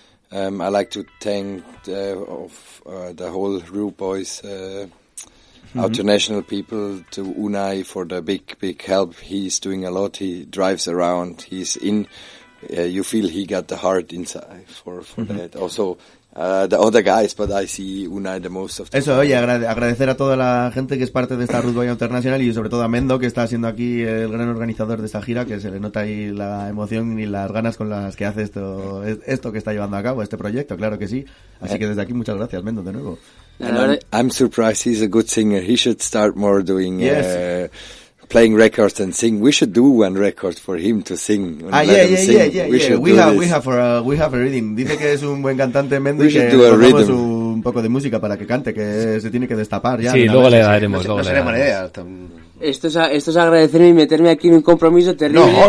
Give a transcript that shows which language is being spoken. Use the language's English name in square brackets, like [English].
[English] I like to thank the whole Rue Boys, our international people, to Unai for the big help. He's doing a lot. He drives around. He's in. You feel he got the heart inside for that. Also. The other guys, but I see Unai the most of them. [Spanish] Eso, oye, agradecer a toda la gente que es parte de esta Rude Boy International, y sobre todo a Mendo, que está siendo aquí el gran organizador de esta gira, que se le nota ahí la emoción y las ganas con las que hace esto que está llevando a cabo, este proyecto, claro que sí. Así que desde aquí, muchas gracias, Mendo, de nuevo. [English] I'm surprised he's a good singer. He should start more doing... playing records and sing. We should do one record for him to sing. We have a rhythm. [Spanish] Dice que es un buen cantante, Mendo, y que tomamos un poco de música para que cante, que se tiene que destapar ya. Sí, luego le daremos. No sería mala idea. Esto es agradecerme y meterme aquí en un compromiso terrible.